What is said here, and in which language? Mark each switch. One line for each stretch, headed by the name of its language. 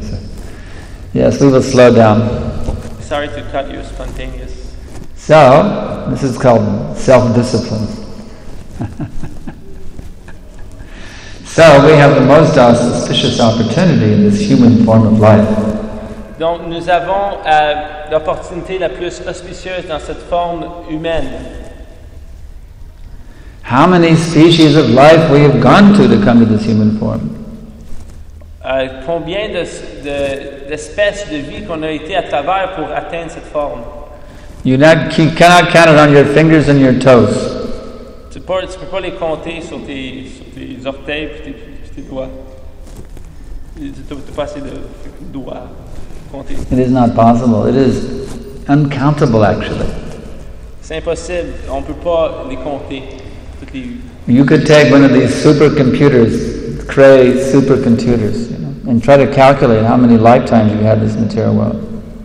English: So. Yes, we will slow down. Sorry to cut you spontaneous. So, this is called self-discipline. So, we have the most auspicious opportunity in this human form of life.
French: Donc, nous avons l'opportunité la plus auspicieuse dans cette forme humaine.
English: How many species of life we have gone to come to this human form?
French: Combien d'espèces de vie qu'on a été à travers pour atteindre cette forme?
English: You cannot count it on your fingers and your toes.
French: Tu peux pas les compter sur tes orteils et tes doigts. Tu peux pas assez de doigts compter.
English: It is not possible. It is uncountable, actually.
French: C'est impossible. On peut pas les compter.
English: You could take one of these supercomputers, Cray supercomputers, you know, and try to calculate how many lifetimes you had this material world.